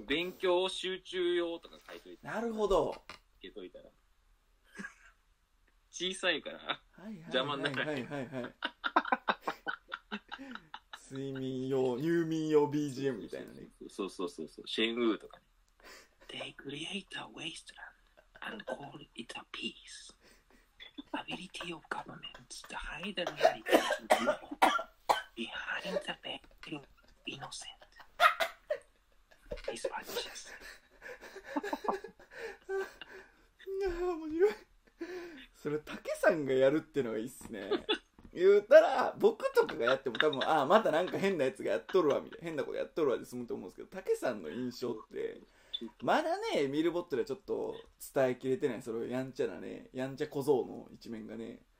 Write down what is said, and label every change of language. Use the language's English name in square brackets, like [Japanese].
[Japanese] 勉強集中用とか書いといて。なるほど。つけといたら小さいから、はいはいはいはい、邪魔にならない。はいはいはい。睡眠用、入眠用 BGM みたいなね。そうそうそうそう、シェンウーとかね。 [English] They create a wasteland and call it a peace. Ability of governments to hide the reality behind the veil of innocent is malicious. [Japanese] 面白い。それ、竹さんがやるってのがいいっすね。言うたら僕とかがやっても多分、ああまたなんか変なやつがやっとるわみたいな、変なことやっとるわで済むと思うんですけど、竹さんの印象ってまだね、エミルボットではちょっと伝えきれてない、それやんちゃなね、やんちゃ小僧の一面がね。